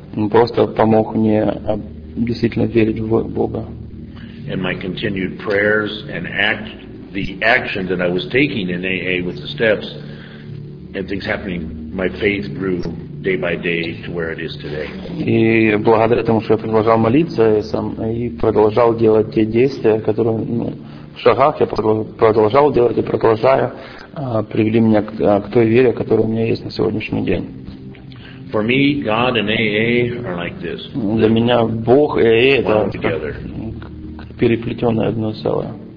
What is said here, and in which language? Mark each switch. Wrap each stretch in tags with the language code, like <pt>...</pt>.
<ru>Он просто помог мне действительно верить в Бога.</ru> <en>And my continued prayers and the action that I was taking in AA with the steps and things happening, my faith grew day by day to where it is today.</en> <ru>И благодаря тому, что я продолжал молиться и сам и продолжал делать те действия, которые, ну, в шагах я продолжал делать и продолжаю, привели меня к той вере, которая у меня есть на сегодняшний день.</ru> <en>For me, God and AA are like this.</en> <ru>Для меня Бог и AA это как переплетённое одно целое.</ru>